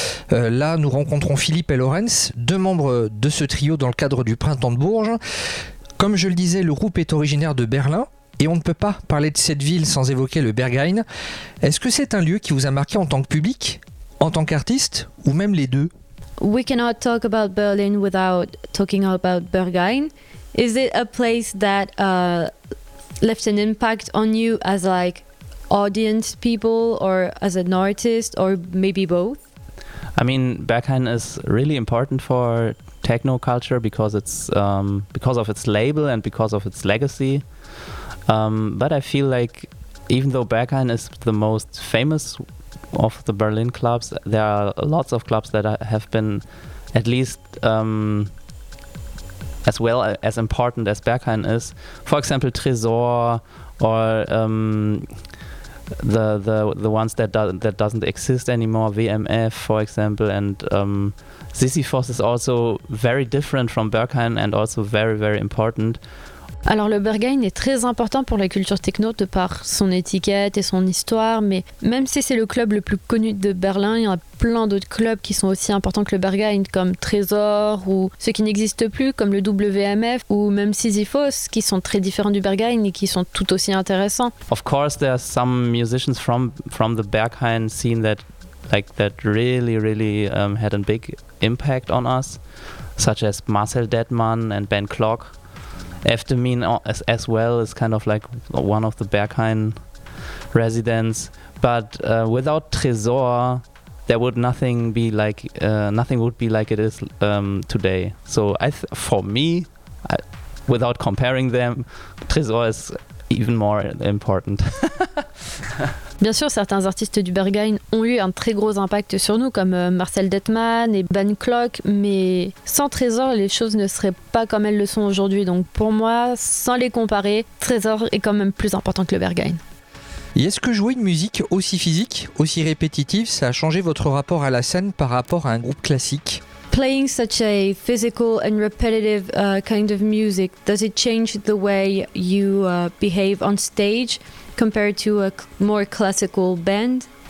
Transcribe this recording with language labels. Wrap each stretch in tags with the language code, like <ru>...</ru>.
<fr>Là, nous rencontrons Philippe et Lorenz, deux membres de ce trio dans le cadre du Printemps de Bourges. Comme je le disais, le groupe est originaire de Berlin et on ne peut pas parler de cette ville sans évoquer le Berghain. Est-ce que c'est un lieu qui vous a marqué en tant que public, en tant qu'artiste ou même les deux?</fr> <en>We cannot talk about Berlin without talking about Berghain. Is it a place that left an impact on you as like audience people or as an artist or maybe both? I mean, Berghain is really important for techno culture because it's because of its label and because of its legacy. But I feel like even though Berghain is the most famous of the Berlin clubs, there are lots of clubs that have been at least as well as important as Berghain is. For example, Tresor or the ones that doesn't exist anymore, WMF, for example, and Sisyphos is also very different from Berghain and also very, very important.</en> <fr>Alors le Berghain est très important pour la culture techno de par son étiquette et son histoire, mais même si c'est le club le plus connu de Berlin, il y en a plein d'autres clubs qui sont aussi importants que le Berghain, comme Tresor ou ceux qui n'existent plus, comme le WMF ou même Sisyphos, qui sont très différents du Berghain et qui sont tout aussi intéressants.</fr> <en>Of course, there are some musicians from the Berghain scene that like that really really had a big impact on us, such as Marcel Detman and Ben Clock. Eftemin as well is kind of like one of the Berghain residents, but without Tresor there would nothing be like nothing would be like it is today. So for me, without comparing them, Tresor is even more important.</en> <fr>Bien sûr, certains artistes du Berghain ont eu un très gros impact sur nous, comme Marcel Detman et Ben Clock, mais sans Tresor, les choses ne seraient pas comme elles le sont aujourd'hui. Donc pour moi, sans les comparer, Tresor est quand même plus important que le Berghain. Et est-ce que jouer une musique aussi physique, aussi répétitive, ça a changé votre rapport à la scène par rapport à un groupe classique?</fr> <en>Playing such a physical and repetitive kind of music, does it change the way you behave on stage compared to a more classical band?</en>